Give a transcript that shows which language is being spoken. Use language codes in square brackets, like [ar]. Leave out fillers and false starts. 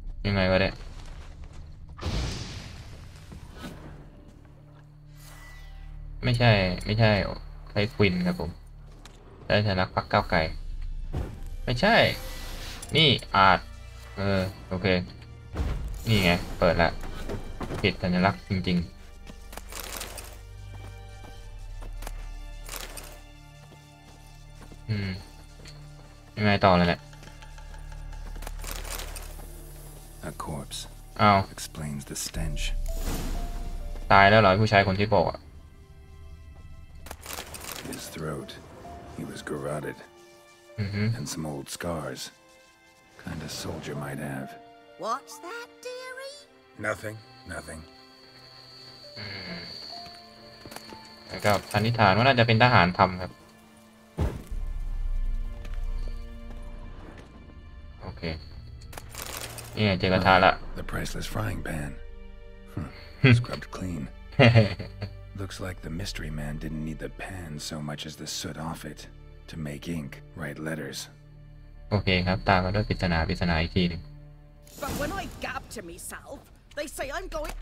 [th] ยังไงวะเนี่ยไม่ใช่ใช้ควินครับผมได้ชนะพักเก้าไก่ไม่ใช่นี่อาจโอเคนี่ไงเปิดละผิดสัญลักษณ์จริงๆยังไงต่อเลยแหละ [en] A corpse explains the stench [th] ตายแล้วเหรอผู้ชายคนที่บอกอ่ะ [en] His throatHe was garroted, and some old scars. Kind of soldier might have. What's that, dearie? Nothing. [th] แล้วก็สันนิษฐานว่าน่าจะเป็นทหารทำครับโอเคนี่เจอกระทะละ [en] The priceless frying pan. Scrubbed clean. Looks like the mystery man didn't need the pan so much as the soot off it. To make ink, write letters. Okay, [th] ครับตามมาด้วยปริศนาปริศนาอีกทีนึง [en] But when I gab to myself, they say I'm going.